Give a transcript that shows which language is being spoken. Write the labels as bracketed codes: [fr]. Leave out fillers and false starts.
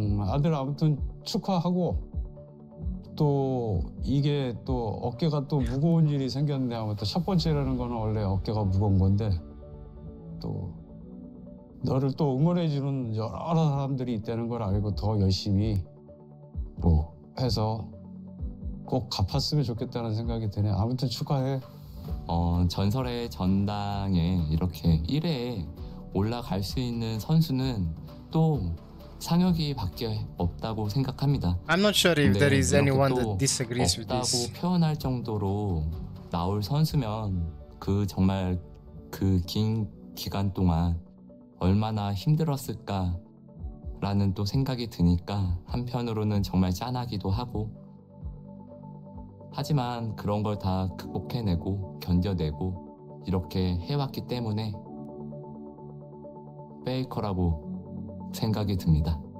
[ko] 아들 아무튼 축하하고 또 이게 또 어깨가 또 무거운 일이 생겼네 하면 또 첫 번째라는 거는 원래 어깨가 무거운 건데 또 너를 또 응원해 주는 여러 사람들이 있다는 걸 알고 더 열심히 뭐 해서 꼭 갚았으면 좋겠다는 생각이 드네. 아무튼 축하해. 전설의 전당에 이렇게 1회에 올라갈 수 있는 선수는 또 상혁이밖에 없다고 생각합니다. [en] I'm not sure if there is anyone that disagrees with this. [ko] 없다고 표현할 정도로 나올 선수면 그 정말 그 긴 기간 동안 얼마나 힘들었을까라는 또 생각이 드니까 한편으로는 정말 짠하기도 하고 하지만 그런 걸 다 극복해내고 견뎌내고 이렇게 해왔기 때문에 페이커라고 생각이 듭니다.